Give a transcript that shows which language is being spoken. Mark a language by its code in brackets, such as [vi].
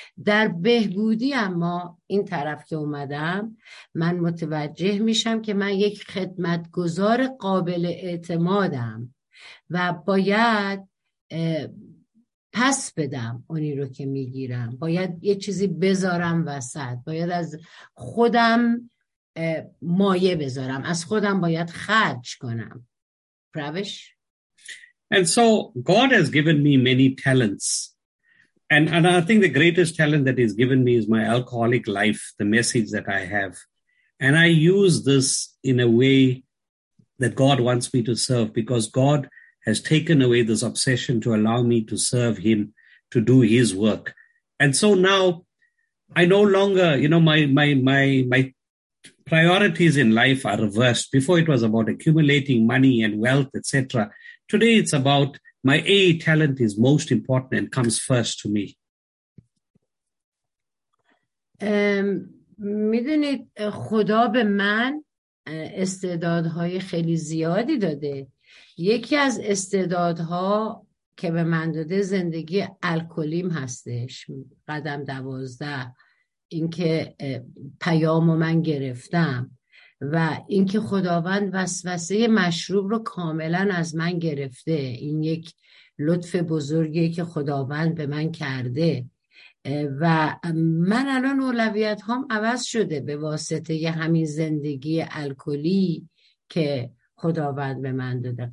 [fa] در بهبودی اما این طرف که اومدم من متوجه میشم که من یک خدمتگزار قابل اعتمادم و باید پس بدم اونی رو که میگیرم، باید یه چیزی بذارم وسط، باید از خودم مایه بذارم، از خودم باید خرج کنم. [en] And so God has given me many talents. And I think the greatest talent that He's given me is my alcoholic life, the message that I have. And I use this in a way that God wants me to serve, because God has taken away this obsession to allow me to serve Him, to do His work. And so now I no longer, you know, my priorities in life are reversed. Before it was about accumulating money and wealth, etc. Today it's about my A talent is most important and comes first to me. [fa] میدونید خدا به من استعدادهای خیلی زیادی داده. یکی از استعدادها که به من داده زندگی الکلیم هستش. قدم 12 این که پیامو من گرفتم و اینکه خداوند وسوسه مشروب رو کاملا از من گرفته، این یک لطف بزرگیه که خداوند به من کرده و من الان اولویت هام عوض شده به واسطه یه همین زندگی الکلی که خداوند به من داده.